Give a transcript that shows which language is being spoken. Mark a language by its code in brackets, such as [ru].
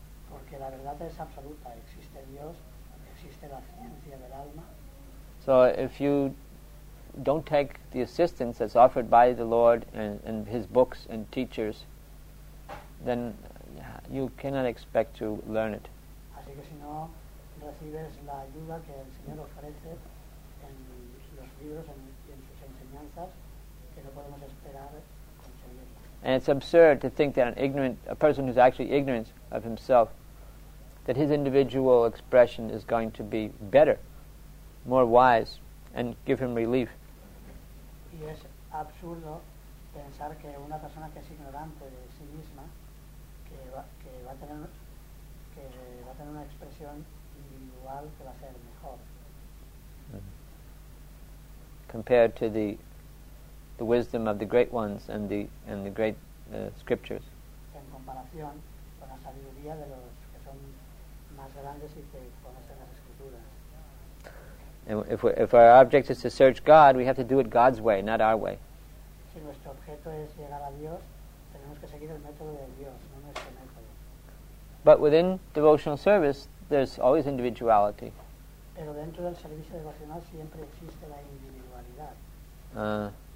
[es] Porque la verdad es absoluta. Existe Dios. Existe la ciencia del alma. [en] So if you don't take the assistance that's offered by the Lord and his books and teachers, then you cannot expect to learn it. [es] Así que si no recibes la ayuda que el Señor ofrece en los libros y en sus enseñanzas, que no podemos esperar conseguirla. [en] And it's absurd to think that a person who's actually ignorant of himself, that his individual expression is going to be better, more wise, and give him relief. [es] Y es absurdo pensar que una persona que es ignorante de sí misma, que va a tener una expresión individual que va a ser mejor. [en] Compared to the wisdom of the great ones and the great scriptures. [es] En comparación con la sabiduría de los que son más grandes y que conocen las escrituras. [en] And if our object is to search God, we have to do it God's way, not our way. [es] Si nuestro objeto es llegar a Dios, tenemos que seguir el método de Dios, no nuestro método. [en] But within devotional service, there's always individuality. [es] Pero dentro del servicio devocional siempre existe la individualidad.